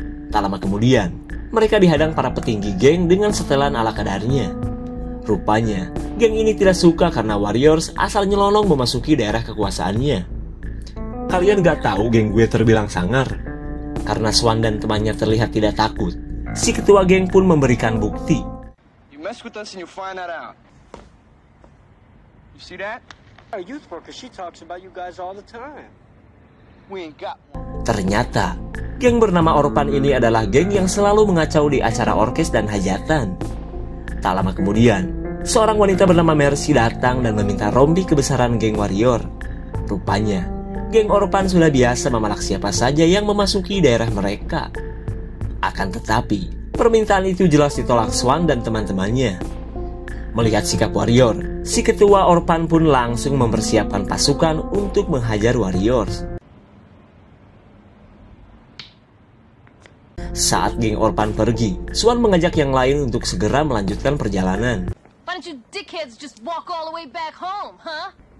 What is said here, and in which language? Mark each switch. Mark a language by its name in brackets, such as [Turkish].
[Indonesian] Tak lama kemudian, mereka dihadang para petinggi geng dengan setelan ala kadarnya. Rupanya, geng ini tidak suka karena Warriors asal nyelonong memasuki daerah kekuasaannya. "Kalian gak tahu geng gue terbilang sangar?" Karena Swan dan temannya terlihat tidak takut, si ketua geng pun memberikan bukti. [English] "You mess with us and you find that out. You see that? Youth worker, she talks about you guys all the time. We ain't got one." [Indonesian] Ternyata, geng bernama Orpan ini adalah geng yang selalu mengacau di acara orkes dan hajatan. Tak lama kemudian, seorang wanita bernama Mercy datang dan meminta rombi kebesaran geng Warrior. Rupanya, geng Orpan sudah biasa memalak siapa saja yang memasuki daerah mereka. Akan tetapi, permintaan itu jelas ditolak Swan dan teman-temannya. Melihat sikap Warrior, si ketua Orpan pun langsung mempersiapkan pasukan untuk menghajar Warriors. Saat geng Orpan pergi, Swan mengajak yang lain untuk segera melanjutkan perjalanan. [English] "Why don't you dickheads just walk all the way back home, huh?"